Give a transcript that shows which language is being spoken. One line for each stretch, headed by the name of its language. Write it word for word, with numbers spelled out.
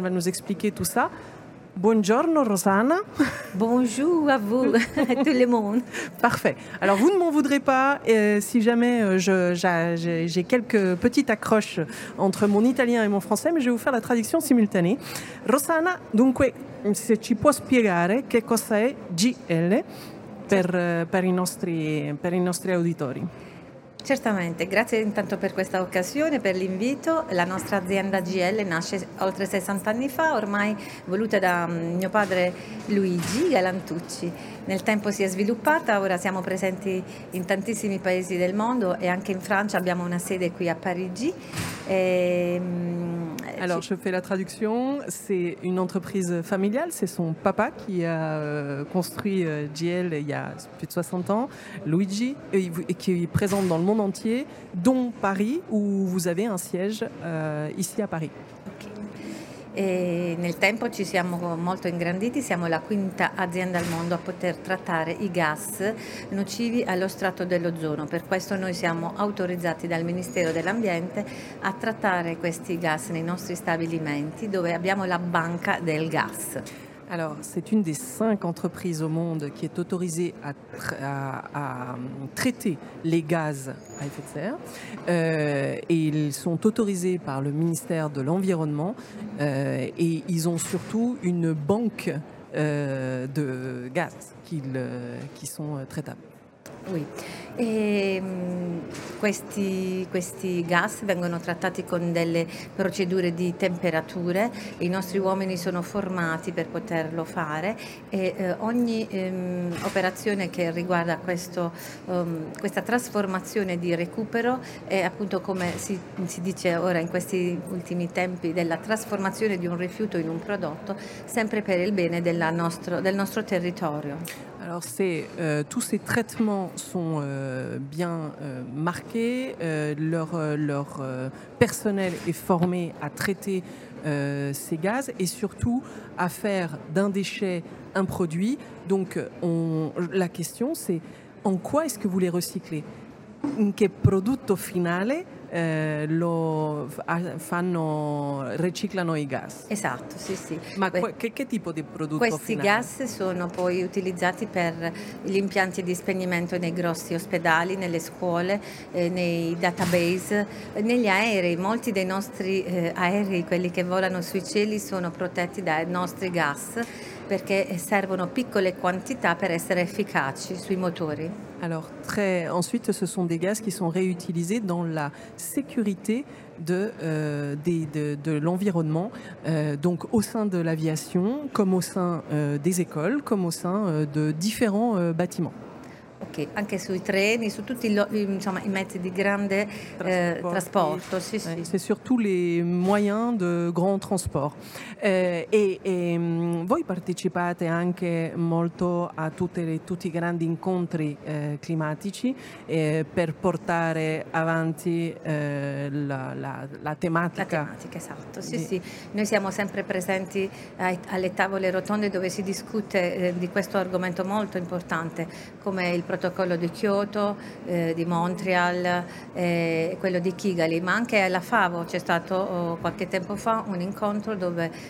French: Elle va nous expliquer tout ça.
Italian: Buongiorno Rossana.
French: Bonjour à vous, à tout le monde. Parfait. Alors vous ne m'en voudrez pas euh, si jamais euh, je, j'ai, j'ai quelques petites accroches entre mon italien et mon français, mais je vais vous faire la traduction simultanée.
Italian: Rossana, dunque, se ci può spiegare che cosa è G L per, per, i, nostri, per i nostri auditori? Certamente, grazie intanto per questa occasione, per l'invito. La nostra azienda G L nasce oltre sessanta anni fa, ormai voluta da mio padre Luigi Galantucci. Nel tempo si è sviluppata, ora siamo presenti in tantissimi paesi del mondo e anche in Francia abbiamo una sede qui a Parigi.
French: Et... Alors je fais la traduction, c'est une entreprise familiale, c'est son papa qui a construit G L il y a plus de soixante ans, Luigi, et qui est présente dans le monde entier, dont Paris, où vous avez un siège euh, ici à Paris. Okay.
Italian: E nel tempo ci siamo molto ingranditi, siamo la quinta azienda al mondo a poter trattare i gas nocivi allo strato dell'ozono, per questo noi siamo autorizzati dal Ministero dell'Ambiente a trattare questi gas nei nostri stabilimenti dove abbiamo la banca del gas.
French: Alors, c'est une des cinq entreprises au monde qui est autorisée à, tra- à, à traiter les gaz à effet de serre. Euh, et ils sont autorisés par le ministère de l'Environnement. Euh, et ils ont surtout une banque euh, de gaz qu'ils, qui sont traitables.
Italian: Oui, e questi, questi gas vengono trattati con delle procedure di temperature, i nostri uomini sono formati per poterlo fare e eh, ogni ehm, operazione che riguarda questo, um, questa trasformazione di recupero è appunto come si, si dice ora in questi ultimi tempi della trasformazione di un rifiuto in un prodotto, sempre per il bene della nostro, del nostro territorio.
French: Alors c'est, euh, tous ces traitements sont euh, bien euh, marqués, euh, leur, euh, leur euh, personnel est formé à traiter euh, ces gaz et surtout à faire d'un déchet un produit. Donc on, la question c'est en quoi est-ce que vous les recyclez ?
Italian: In che prodotto finale eh, lo fanno, riciclano i gas? Esatto, sì, sì. Ma que- che, che tipo di prodotto questi Questi gas sono poi utilizzati per gli impianti di spegnimento nei grossi ospedali, nelle scuole, eh, nei database, eh, negli aerei. Molti dei nostri eh, aerei, quelli che volano sui cieli, sono protetti dai nostri gas perché servono piccole quantità per essere efficaci sui motori.
French: Alors, très, ensuite, ce sont des gaz qui sont réutilisés dans la sécurité de, euh, des, de, de l'environnement, euh, donc au sein de l'aviation, comme au sein euh, des écoles, comme au sein euh, de différents euh, bâtiments.
Italian: Ok, anche sui treni, su tutti lo, insomma, i mezzi di grande eh, trasporto. Sì, sì.
French: C'est sur tous les moyens de grand transport.
Italian: Eh, e, e voi partecipate anche molto a tutte le, tutti i grandi incontri eh, climatici eh, per portare avanti eh, la, la, la tematica. La tematica, esatto. Sì, di... sì. Noi siamo sempre presenti ai, alle tavole rotonde dove si discute eh, di questo argomento molto importante, come il protocollo di Kyoto, eh, di Montreal, eh, quello di Kigali, ma anche alla FAO c'è stato oh, qualche tempo fa un incontro dove